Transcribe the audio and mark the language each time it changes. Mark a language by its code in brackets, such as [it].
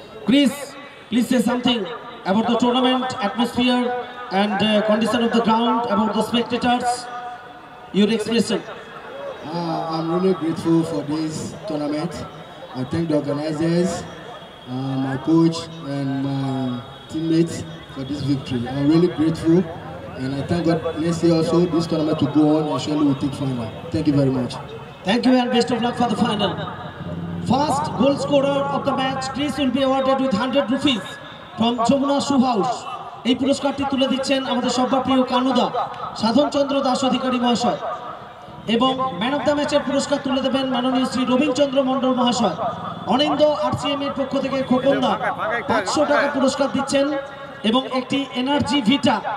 [en] Chris, please say something about the tournament atmosphere and condition of the ground, about the spectators, your expression. I'm really grateful for this tournament. I thank the organizers, my coach and my teammates for this victory. I'm really grateful and I thank God next year also this tournament to go on and surely will take final. Thank you very much. Thank you and best of luck for the final. First goal scorer of the match, Chris will be awarded with 100 rupees from Jomuna Shoe House. [bn] এই পুরস্কারটি তুলে দিচ্ছেন আমাদের সর্বপ্রিয় কানুদা সাধন চন্দ্র দাস অধিকারী মহাশয় এবং man of the ম্যাচের পুরস্কার তুলে দেবেন মাননীয় শ্রী রবীন্দ্র চন্দ্র মণ্ডল মহাশয় অনিন্দ্য আরসিএম এর পক্ষ থেকে খোকনদা 500 টাকা পুরস্কার দিচ্ছেন এবং একটি এনার্জি ভিটা